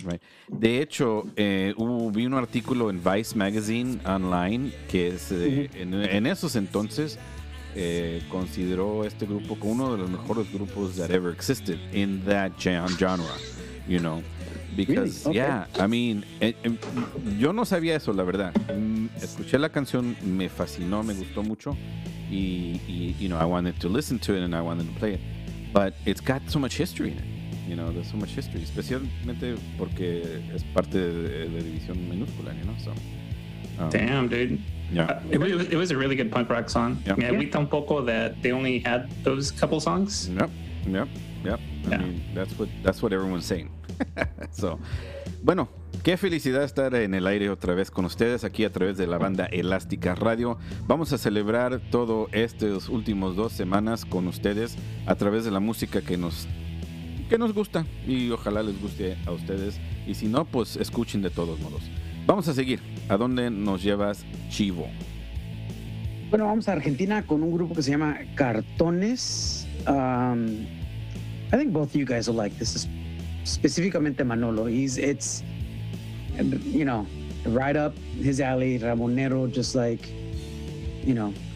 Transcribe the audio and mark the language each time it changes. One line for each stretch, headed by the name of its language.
Spanish: Right. De hecho, vi un artículo en Vice Magazine online que es, uh-huh, en esos entonces consideró este grupo como uno de los mejores grupos
English: that ever existed in that genre, you know. Because, really? Yeah, I mean,
Spanish: yo no sabía eso, la verdad. Escuché la canción, me fascinó, me gustó mucho.
English: Y, you know, I wanted to listen to it and I wanted to play it. But it's got so much history in it. You know, there's so much history.
Spanish: Especialmente porque es parte de División Minúscula,
English: you know, so. Damn, dude. Yeah. It was a really good punk rock song. Yeah.
Spanish: Me agüita un poco
English: that they only had those couple songs. Yep. I mean, that's what everyone's saying.
Spanish: So, bueno, qué felicidad estar en el aire otra vez con ustedes aquí a través de la banda Elástica Radio. Vamos a celebrar todo estos últimos dos semanas con ustedes a través de la música que nos gusta y ojalá les guste a ustedes. Y si no, pues escuchen de todos modos. Vamos a seguir. ¿A dónde nos llevas, Chivo? Bueno, vamos a Argentina con un grupo que se llama Cartones.
English: I think both of you guys will like this. Specifically Manolo, it's you know, right up his alley, Ramonero, just like, you know.